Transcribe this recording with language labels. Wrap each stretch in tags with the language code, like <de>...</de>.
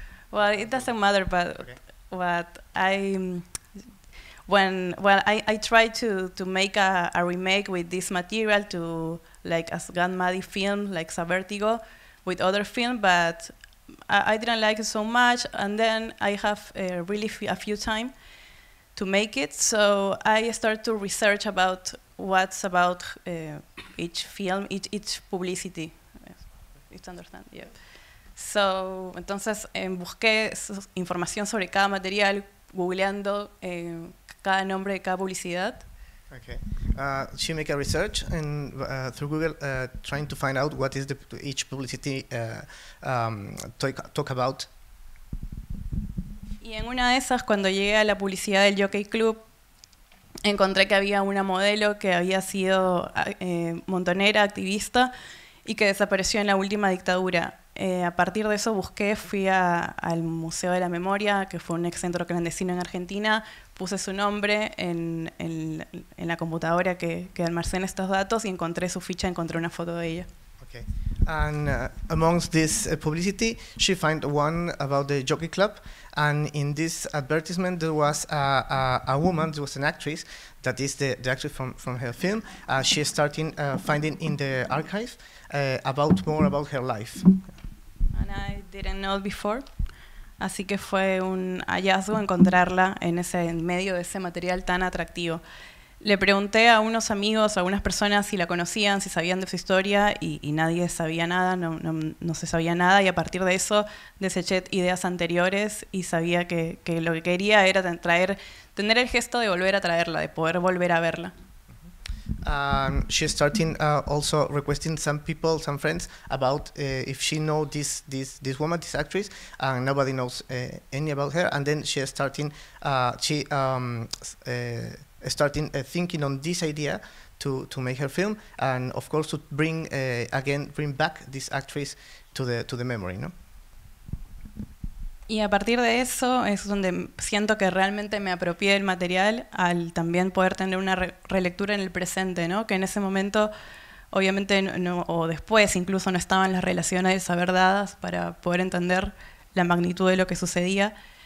<en>Well, it doesn't matter, but I tried to make a remake with this material to like a Gun Maddie film, like a Vertigo, with other film, but I didn't like it so much. And then I have a few time to make it, so I started to research about what's about each film, each publicity. It's understand, yeah.</en> <es>So, entonces busqué información sobre cada material, googleando cada nombre de cada publicidad. Okay.</es> <en>She make a research and through Google, trying to find out what is the each publicity talk about.</en> <es>Y en una de esas, cuando llegué a la publicidad del Jockey Club, encontré que había una modelo que había sido montonera, activista, y que desapareció en la última dictadura. A partir de eso busqué, fui al Museo de la Memoria, que fue un ex centro clandestino en Argentina, puse su nombre en la computadora que almacena estos datos y encontré su ficha, encontré una foto de ella. Okay.</es> <en>And amongst this publicity, she found one about the Jockey Club, and in this advertisement there was a woman, there was an actress, that is the actress from her film. She started finding in the archive about more about her life. And I didn't know it before,</en> <es>así que fue un hallazgo encontrarla en medio de ese material tan atractivo. Le pregunté a unos amigos, a algunas personas, si la conocían, si sabían de su historia, y nadie sabía nada, no se sabía nada, y a partir de eso deseché ideas anteriores y sabía que lo que quería era tener el gesto de volver a traerla, de poder volver a verla.</es> <en>She started also requesting some people, some friends, about if she know this woman, this actress, and nobody knows any about her. And then she started thinking on this idea to make her film, and of course to bring back this actress to the memory, no?</en> <es>Y a partir de eso es donde siento que realmente me apropié del material al también poder tener una relectura en el presente, ¿no? Que en ese momento, obviamente, no, o después incluso no estaban las relaciones a ver dadas para poder entender la magnitud de lo que sucedía.</es>